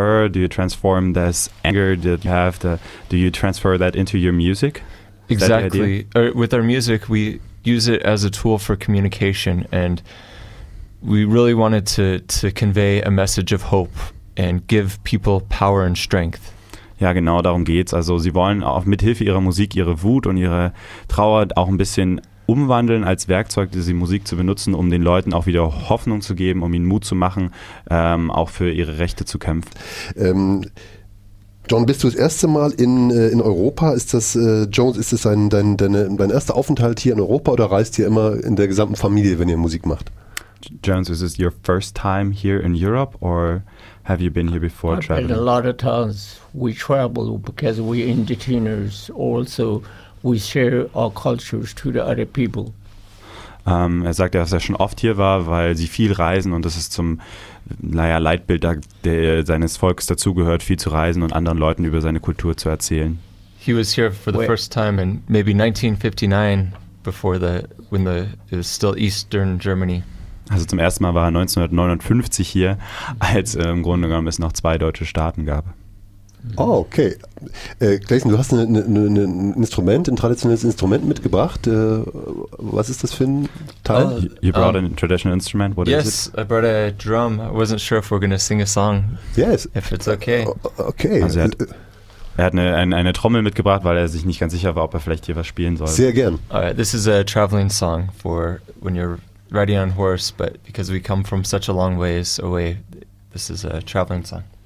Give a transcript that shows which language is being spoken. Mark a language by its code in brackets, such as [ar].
[en] Do you transform this anger that you have? Do you transfer that into your music? Exactly. With our music, we use it as a tool for communication and we really wanted to convey a message of hope and give people power and strength. [de] Ja, genau darum geht's. Also sie wollen auch mit Hilfe ihrer Musik ihre Wut und ihre Trauer auch ein bisschen umwandeln als Werkzeug, diese Musik zu benutzen, um den Leuten auch wieder Hoffnung zu geben, um ihnen Mut zu machen, auch für ihre Rechte zu kämpfen. John, bist du das erste Mal in Europa? Ist das Jones? Ist das dein erster Aufenthalt hier in Europa oder reist ihr immer in der gesamten Familie, wenn ihr Musik macht? [en] Jones, is this your first time here in Europe, or have you been here before traveling? I've been a lot of times. We travel because we entertainers. Also, we share our cultures to the other people. [de] Er sagt, dass er schon oft hier war, weil sie viel reisen und das ist zum Leitbild seines Volkes dazugehört, viel zu reisen und anderen Leuten über seine Kultur zu erzählen. [en] He was here for the first time in maybe 1959, it was still Eastern Germany. [de] Also zum ersten Mal war er 1959 hier, als im Grunde genommen es noch zwei deutsche Staaten gab. [en] Oh, okay. [de] Clayson, du hast ein Instrument, ein traditionelles Instrument mitgebracht. Was ist das für ein Teil? [en] You brought a traditional instrument? What is it? Yes, I brought a drum. I wasn't sure if we're going to sing a song. Yes. If it's okay. Okay. [de] Also er hat eine Trommel mitgebracht, weil er sich nicht ganz sicher war, ob er vielleicht hier was spielen soll. Sehr gern. [en] All right, this is a traveling song for when you're riding on horse, but because we come from such a long ways away, this is a traveling song.